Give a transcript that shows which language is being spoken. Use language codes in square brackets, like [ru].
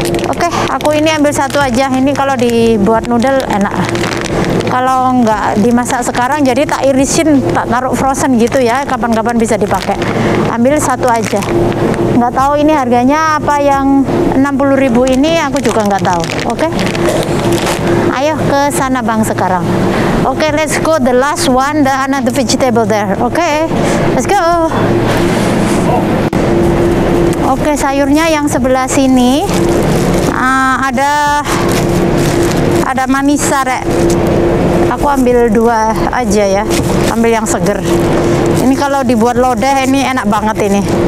[id] Oke, okay, aku ini ambil 1 aja. Ini kalau dibuat noodle enak. Kalau enggak dimasak sekarang, jadi tak irisin, tak taruh frozen gitu ya, kapan-kapan bisa dipakai. Ambil 1 aja. Enggak tahu ini harganya apa yang 60.000 ini, aku juga enggak tahu. Oke? Okay? Ayo ke sana bang sekarang. [en] Oke, okay, let's go the last one, the another vegetable there. Oke, okay, let's go. [id] Oke, okay, sayurnya yang sebelah sini. Ada ada manisa, Rek. Aku ambil dua aja ya, ambil yang seger. Ini kalau dibuat lodeh ini enak banget ini.